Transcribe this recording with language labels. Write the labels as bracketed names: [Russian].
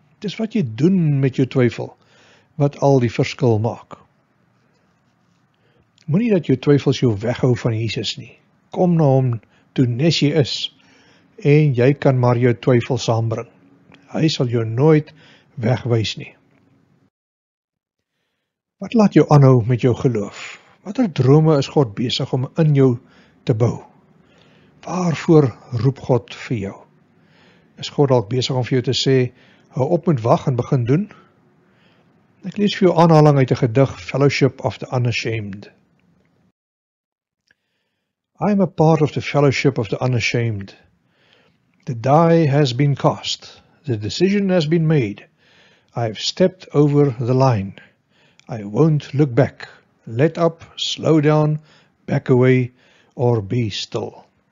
[Afrikaans] Dis wat jy doen met jou twyfel, wat al die verskil maak. Moenie dat jou twyfels jou weghou van Jesus nie. Kom na hom toe nes jy is, en jy kan maar jou twyfel saambring. Hy sal jou nooit wegwys nie. Wat laat jou aanhou met jou geloof? Watter drome is God besig om in jou te bou? Waarvoor roep God vir jou? Is God dalk besig om vir jou te sê, hou op met wag en begin doen? Ek lees vir jou aanhaling uit die gedig Fellowship of the Unashamed. [English] I am a part of the fellowship of the unashamed. The die has been cast. The decision has been made. I have stepped over the line. I won't look back. Let up, slow down, back away, or be still.